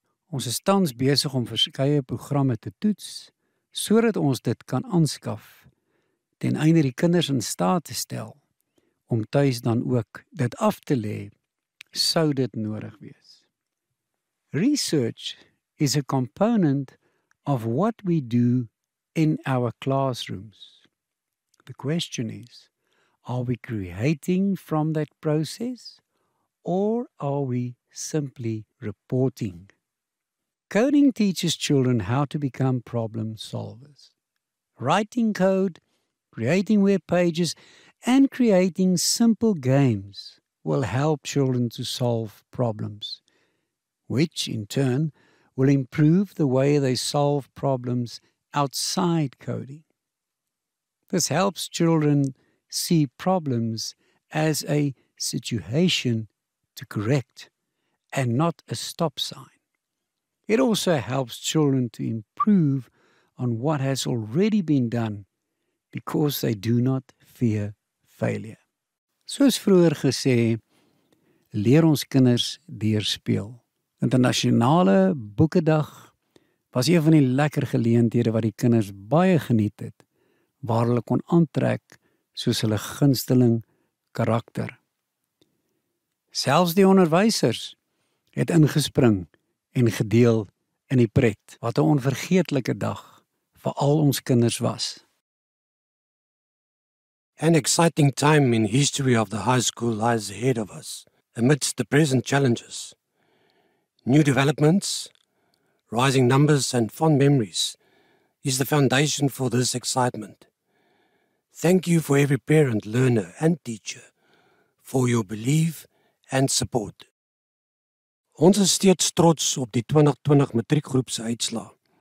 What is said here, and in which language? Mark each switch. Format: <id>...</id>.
<af>Ons is tans besig om verskeie programme te toets, sodat ons dit kan aanskaf, ten einde die kinders in staat te stel, om tuis dan ook dit af te lê, sou dit nodig wees.</af> <en>Research is a component of what we do in our classrooms. The question is, are we creating from that process or are we simply reporting? Coding teaches children how to become problem solvers. Writing code, creating web pages, and creating simple games will help children to solve problems, which in turn will improve the way they solve problems outside coding. This helps children see problems as a situation to correct and not a stop sign. It also helps children to improve on what has already been done because they do not fear failure.</en> <af>Soos vroeër gesê, leer ons kinders deur speel. Internasionale Boekedag was een van die lekker geleenthede wat die kinders baie geniet het, waar hulle kon aantrek soos hulle gunsteling karakter. Selfs die onderwysers het ingespring en gedeel in die pret, wat 'n onvergeetlike dag vir al ons kinders was.</af> <en>An exciting time in history of the high school lies ahead of us, amidst the present challenges. New developments, rising numbers and fond memories is the foundation for this excitement. Thank you for every parent, learner, and teacher for your belief and support.</en> <af>Ons is steeds trots op die 2020 matriekgroep se uitslae.</af>